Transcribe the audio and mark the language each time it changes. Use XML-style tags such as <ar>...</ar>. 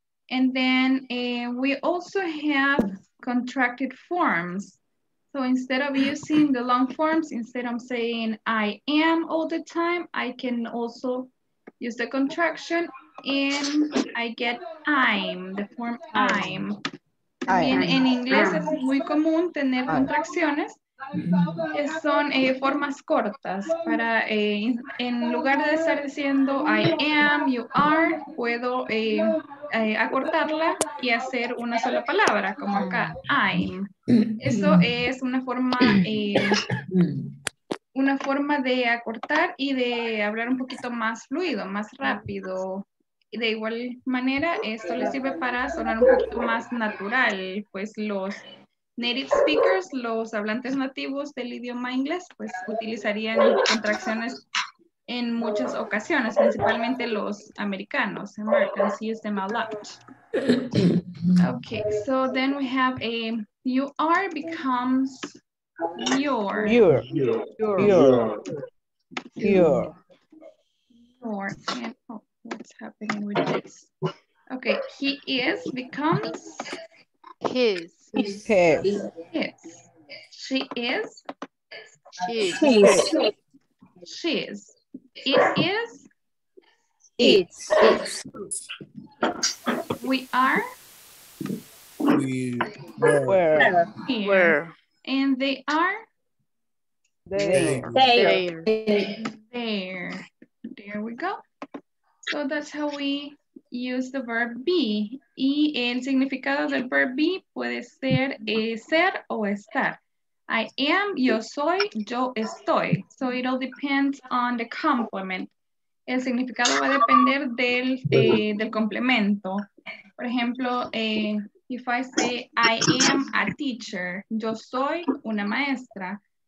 <en>And then we also have contracted forms. So instead of using the long forms, instead of saying I am all the time, I can also use the contraction and I get I'm, the form I'm.</en> <es>También en inglés es muy común tener contracciones. Que son formas cortas para en lugar de estar diciendo</es> <en>I am, you are,</en> <es>puedo acortarla y hacer una sola palabra, como acá,</es> <en>I'm.</en> <es>Eso es una forma de acortar y de hablar un poquito más fluido, más rápido. De igual manera, esto le sirve para sonar un poquito más natural, pues los</es> <en>native speakers,</en> <es>los hablantes nativos del idioma inglés, pues utilizarían contracciones en muchas ocasiones, principalmente los americanos.</es> <en>Americans use them a lot. Okay, so then we have a you are becomes your. Your. And, what's happening with this? Okay, he is, becomes his. His. She is. She is. It is. It's. We are. We were. And they are. There. There we go. So that's how we use the verb be.</en> <es>Y el significado del</es> <en>verb be</en> <es>puede ser ser o estar.</es> <en>I am,</en> <es>yo soy, yo estoy.</es> <en>So it all depends on the complement.</en> <es>El significado va a depender del, del complemento. Por ejemplo,</es> <en>if I say I am a teacher,</en> <es>yo soy una maestra.</es>